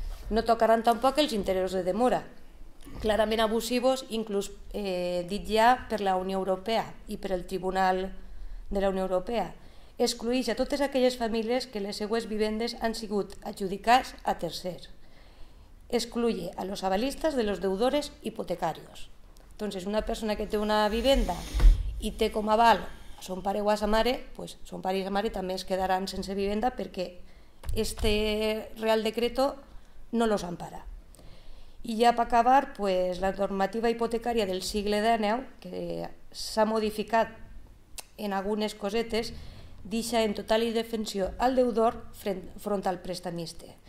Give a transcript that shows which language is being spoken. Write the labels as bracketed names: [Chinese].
[Catalan] No tocaran tampoc els interessos de demora, clarament abusius, inclús dit ja per la Unió Europea i per el Tribunal de la Unió Europea. Excluïs a totes aquelles famílies que les seues vivendes han sigut adjudicats a tercers. [Spanish] Excluye a los avalistas de los deudores hipotecarios. [Catalan] Entonces, una persona que té una vivenda i té com a aval a son pare o a sa mare, pues son pare i sa mare també es quedaran sense vivenda perquè este Real Decreto [Spanish] no los ampara. [Catalan] I ja per acabar, pues, la normativa hipotecària del segle XIX, que s'ha modificat en algunes cosetes, deixa en total indefensió al deudor front al prestamista.